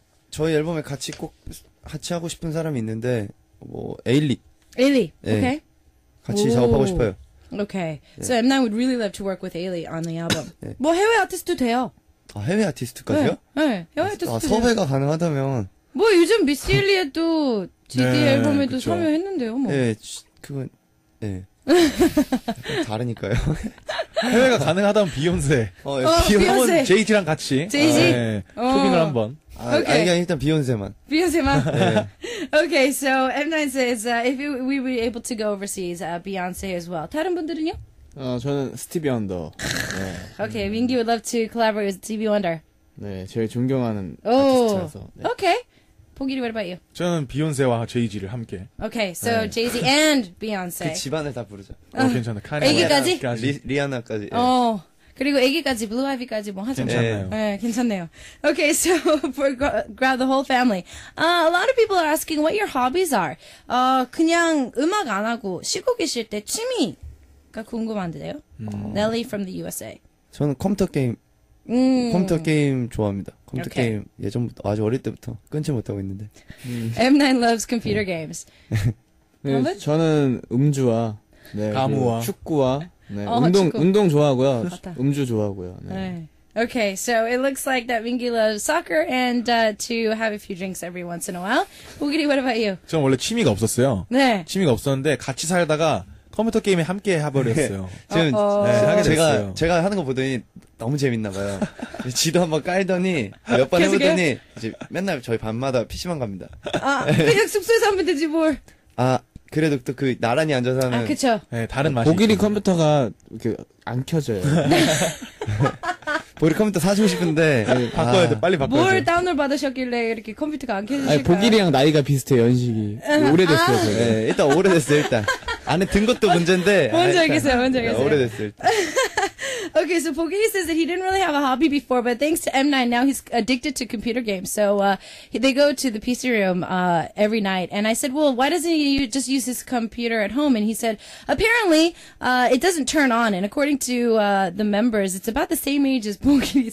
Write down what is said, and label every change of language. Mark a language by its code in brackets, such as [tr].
[ko] 저희 앨범에 같이 꼭 같이 하고 싶은 사람이 있는데 뭐 에일리. 네. 오케이. 같이 오. 작업하고 싶어요. 오케이. 네. [en] So M9 would really love to work with 에일리 on the album. [ko] 네. 뭐 해외 아티스트도 돼요. 아, 해외 아티스트까지요? 네, 네. 해외 아티스트. 아, 섭외가 가능하다면. 뭐, 요즘 미스 일리에도 GD 네, 앨범에도 섭외했는데요, 뭐. 네, 그건, 예. 네. 다르니까요. 해외가 가능하다면 비욘세. 비욘세. 제이지랑 같이. 제이지? 아, 네. 초빙을 한번. 오케이. 아니, 일단 비욘세만. 비욘세만? 네. [en] Okay, so M9 says, if we were able to go overseas, Beyonce as well. [ko] 다른 분들은요? 저는 스티비 원더. 네. [en] Okay, Mingy would love to collaborate with Stevie Wonder. [ko] 네, 제일 존경하는 아티스트라서. [en] 네. Okay, 봉길이, what about you? [ko] 저는 비욘세와 제이지를 함께. [en] Okay, so 네. Jay-Z and Beyonce. [ko] 그 집안을 다 부르자. 괜찮아. 카니. 애기까지? 리아나까지. 어. 네. 그리고 애기까지, 블루 아이비까지 뭐 하죠? 괜찮아요. 네, 괜찮네요. [en] Okay, so for grab the whole family. A lot of people are asking what your hobbies are. [ko] 그냥 음악 안 하고 쉬고 계실 때 취미. 궁금한데요. [en] Nelly from the USA. [ko] 저는 컴퓨터 게임. 컴퓨터 게임 좋아합니다. 컴퓨터 okay. 게임 예전부터 아주 어릴 때부터 끊지 못하고 있는데. [en] M9 loves computer games. [ko] 네, 저는 음주와 네, 가무와 축구와 네, 운동 축구. 운동 좋아하고요. 음주 좋아하고요. 네. [en] Okay, so it looks like that Mingy loves soccer and to have a few drinks every once in a while. Bogiri, what about you? [ko] 저는 원래 취미가 없었어요. 네. 취미가 없었는데 같이 살다가 컴퓨터 게임에 함께 해버렸어요. 지금 네, 제가 하는 거 보더니 너무 재밌나 봐요. 지도 한번 깔더니 몇 번 해보더니 이제 맨날 저희 밤마다 PC방 갑니다. 아, 그냥 숙소에서 하면 되지 뭘. 아, 그래도 또 그 나란히 앉아서 하는. 아, 그쵸. 네, 다른 맛이. 보기리 컴퓨터가 이렇게 안 켜져요. 보기리 컴퓨터 사주고 싶은데. 바꿔야 돼, 빨리 바꿔야 돼. 뭘 다운을 받으셨길래 이렇게 컴퓨터가 안 켜지실까요? 보기리랑 나이가 비슷해요, 연식이. 오래됐어요, 네, 일단 오래됐어요, 일단. 안에 든 것도 문제인데. 뭔지 알겠어요, 뭔지 알겠어요. 오래됐을 때. [en] Okay, so Bogiri says that he didn't really have a hobby before, but thanks to M9, now he's addicted to computer games. So they go to the PC room every night. And I said, well, why doesn't he just use his computer at home? And he said, apparently, it doesn't turn on. And according to the members, it's about the same age as Bogiri.